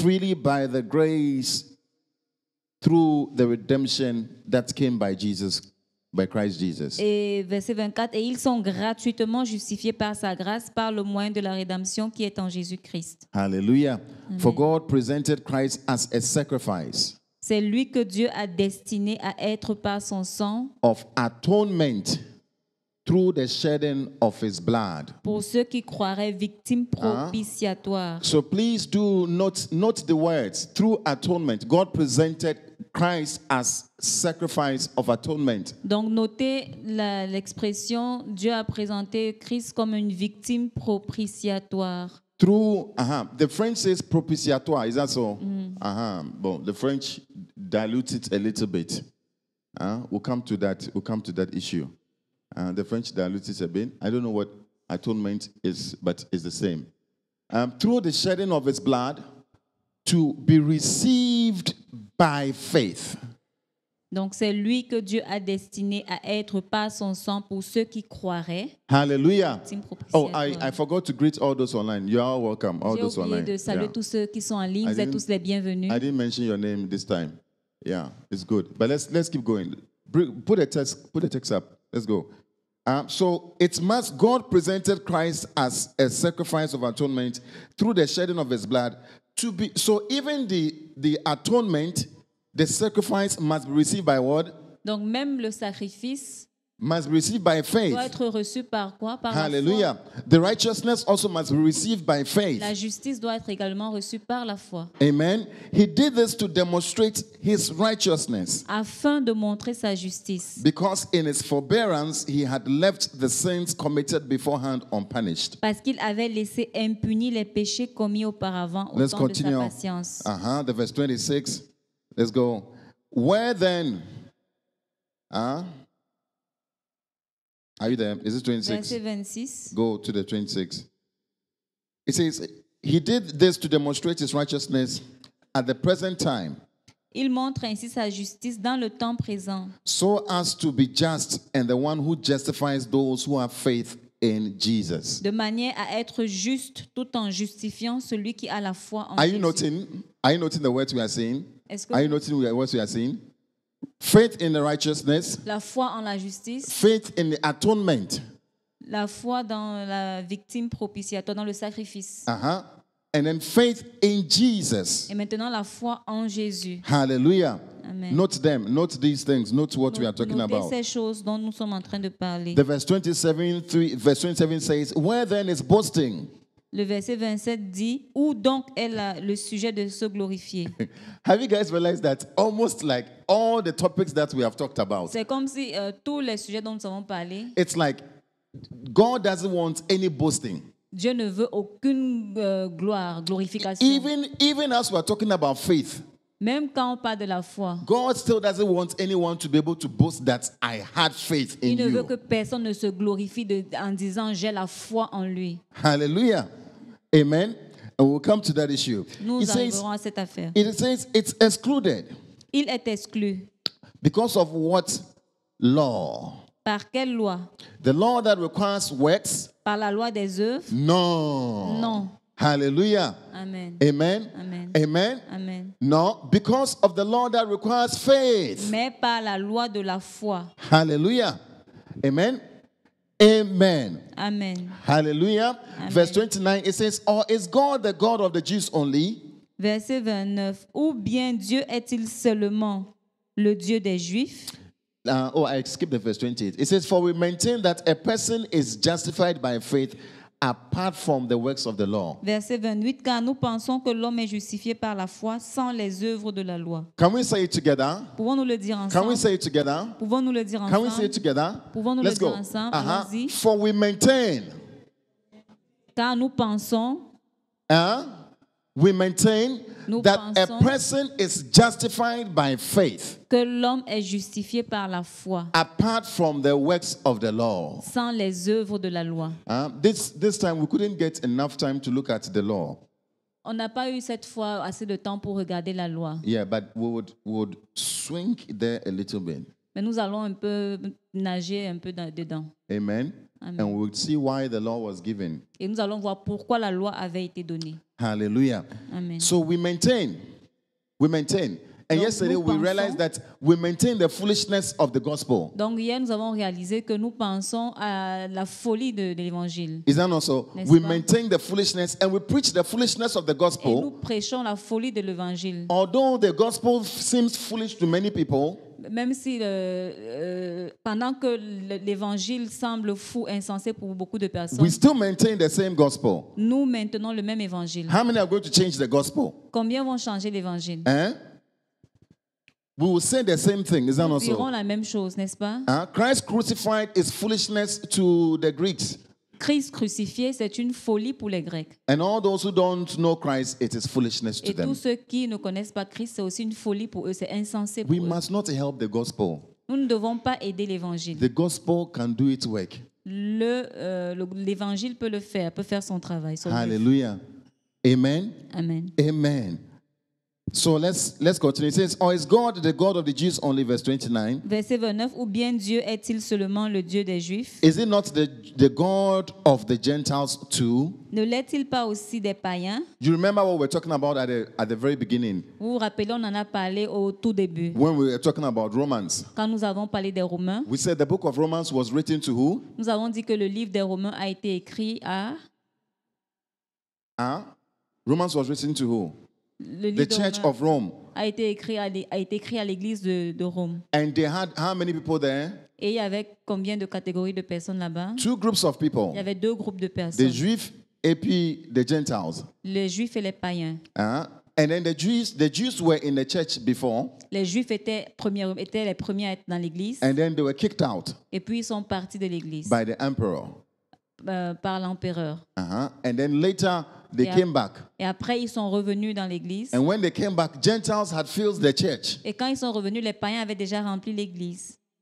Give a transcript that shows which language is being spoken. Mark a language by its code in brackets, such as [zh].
[en] Freely by the grace through the redemption that came by Jesus, by Christ Jesus. [fr] Et verset 24, et ils sont gratuitement justifiés par sa grâce par le moyen de la rédemption qui est en Jésus Christ. [en] Hallelujah. Amen. For God presented Christ as a sacrifice. [fr] C'est lui que Dieu a destiné à être par son sang. [en] Of atonement through the shedding of his blood. [fr] Pour ceux qui croiraient victime propitiatoire. [en] So please do note the words through atonement. God presented Christ as sacrifice of atonement. [fr] Donc notez l'expression Dieu a présenté Christ comme une victime propitiatoire. [en] Through the French says propitiatoire, is that so? Bon, the French dilute it a little bit. We'll come to that issue. The French dilute it a bit. I don't know what atonement is, but it's the same. Through the shedding of his blood to be received by faith. [fr] Donc c'est lui que Dieu a destiné à être par son sang pour ceux qui croiraient. Hallelujah. [en] Oh, I forgot to greet all those online. You are welcome, all those online. [fr] J'ai oublié de saluer tous ceux qui sont en ligne. Vous êtes tous les bienvenus. [en] I didn't mention your name this time. Yeah, it's good. But let's keep going. Put a text up. Let's go. So it must God presented Christ as a sacrifice of atonement through the shedding of his blood to be. So even the atonement. The sacrifice must be received by what? [fr] Donc même le sacrifice [en] must be received by faith. [fr] Doit être reçu par quoi? Par Hallelujah. La foi. [en] The righteousness also must be received by faith. [fr] La justice doit être également reçue par la foi. [en] Amen. He did this to demonstrate his righteousness. [fr] Afin de montrer sa justice. [en] Because in his forbearance he had left the sins committed beforehand unpunished. [fr] Parce qu'il avait laissé impunis les péchés commis auparavant au [en] Let's [fr] temps [en] continue. [fr] De sa patience. [en] The verse 26. Let's go. Where then? Are you there? Is it 26? Go to the 26. It says, he did this to demonstrate his righteousness at the present time. [fr] Il montre ainsi sa justice dans le temps présent. [en] So as to be just and the one who justifies those who have faith in Jesus. [fr] De manière à être juste tout en justifiant celui qui a la foi en Jésus. [en] Are you noting the words we are saying? Are you noting what we are saying? Faith in the righteousness. [fr] La foi en la justice. [en] Faith in the atonement. [fr] La foi dans la victime propitiatoire, dans le sacrifice. [en] And then faith in Jesus. [fr] Et maintenant la foi en Jésus. Hallelujah. Amen. [en] Note them. Note these things. Note what we are talking about. [fr] Notez ces choses dont nous sommes en train de parler. [en] The verse 27 says, where then is boasting? [fr] Le verset 27 dit où donc est le sujet de se glorifier. [en] Have you guys realized that almost like all the topics that we have talked about? [fr] C'est comme si tous les sujets dont nous avons parlé. [en] It's like God doesn't want any boasting. [fr] Dieu ne veut aucune gloire, glorification. [en] Even as we are talking about faith. [fr] Même quand on parle de la foi. [en] God still doesn't want anyone to be able to boast that I had faith in you. [fr] Il ne veut que personne ne se glorifie en disant j'ai la foi en lui. [en] Hallelujah. Amen. And we'll come to that issue. [fr] Nous arriverons à cette affaire. [en] It says it's excluded. [fr] Il est exclu. [en] Because of what law? [fr] Par quelle loi? [en] The law that requires works? [fr] Par la loi des œuvres? Non. Hallelujah. Amen. Amen. Amen. Amen. Amen. [en] No, because of the law that requires faith. [fr] Mais par la loi de la foi. Hallelujah. Amen. Amen. Amen. Hallelujah. Amen. [en] Verse 29, it says, or is God the God of the Jews only? [fr] Verset 29, ou bien Dieu est-il seulement le Dieu des Juifs? [en] I skipped the verse 28. It says, for we maintain that a person is justified by faith apart from the works of the law. [fr] Verset 28, car nous pensons que l'homme est justifié par la foi sans les œuvres de la loi. [en] Can we say it together? [fr] Pouvons-nous le dire ensemble? [en] Can we say it together? [fr] Pouvons-nous le dire [en] Can [fr] ensemble? [en] Can we say it together? [fr] Pouvons-nous [en] Let's [fr] le [en] go. [fr] Dire ensemble? Allons-y. [en] For we maintain. [fr] Car nous pensons. [en] We maintain [fr] nous [en] that a person is justified by faith. [fr] Que l'homme est justifié par la foi. [en] Apart from the works of the law. [fr] Sans les œuvres de la loi. [en] This time we couldn't get enough time to look at the law. [fr] On n'a pas eu cette fois assez de temps pour regarder la loi. [en] Yeah, but we would swing there a little bit. [fr] Mais nous allons un peu nager un peu dedans. Amen. Amen. [en] And we'll see why the law was given. [fr] Et nous allons voir pourquoi la loi avait été donnée. Hallelujah. Amen. [en] So we maintain. And [fr] donc, [en] yesterday we realized that we maintain the foolishness of the gospel. [fr] Donc hier nous avons réalisé que nous pensons à la folie de l'évangile. [en] Is that not so? We maintain the foolishness and we preach the foolishness of the gospel. [fr] Et nous prêchons la folie de l'évangile. [en] Although the gospel seems foolish to many people. [fr] Même si pendant que l'évangile semble fou, insensé pour beaucoup de personnes, [en] we still maintain the same gospel. [fr] Nous maintenons le même évangile. [en] How many are going to change the gospel? [fr] Combien vont changer l'évangile? Hein? [en] We will say the same thing, is that not so? [fr] Nous dirons la même chose, n'est-ce pas? [en] Hein? Christ crucified is foolishness to the Greeks. [fr] Christ crucifié, c'est une folie pour les Grecs. [en] And all those who don't know Christ, it is foolishness to them. [fr] Et tous ceux qui ne connaissent pas Christ, c'est aussi une folie pour eux, c'est insensé pour [en] eux. We must not help the gospel. [fr] Nous ne devons pas aider l'évangile. [en] The gospel can do its work. [fr] L'évangile peut le faire, peut faire son travail. Hallelujah. Amen. Amen. Amen. [en] So let's continue. It says, or is God the God of the Jews only? Verse 29. [fr] Verset 29. Ou bien Dieu est-il seulement le Dieu des Juifs? [en] Is it not the God of the Gentiles too? [fr] Ne l'est-il pas aussi des païens? [en] You remember what we were talking about at the very beginning? [fr] Vous vous rappelez, on en a parlé au tout début. [en] When we were talking about Romans. [fr] Quand nous avons parlé des Romains. [en] We said the book of Romans was written to who? [fr] Nous avons dit que le livre des Romains a été écrit à. [en] Ah, Romans was written to who? The Church of Rome [fr] a été écrit à l'église de Rome. [en] And they had how many people there? [fr] Et il y avait combien de catégories de personnes là-bas? [en] Two groups of people. [fr] Il y avait deux groupes de personnes. [en] The Juifs et puis the Gentiles. [fr] Les Juifs et les païens. [en] And then the Jews were in the church before. [fr] Les Juifs étaient les premiers à être dans l'église. [en] And then they were kicked out. [fr] Et puis ils sont partis de l'église. [en] By the emperor. [fr] Par l'empereur. [en] And then later. They came back. [fr] Et après, ils sont revenus dans l'église. [en] And when they came back, Gentiles had filled the church. [fr] Et quand ils sont revenus, les païens avaient déjà rempli l'église.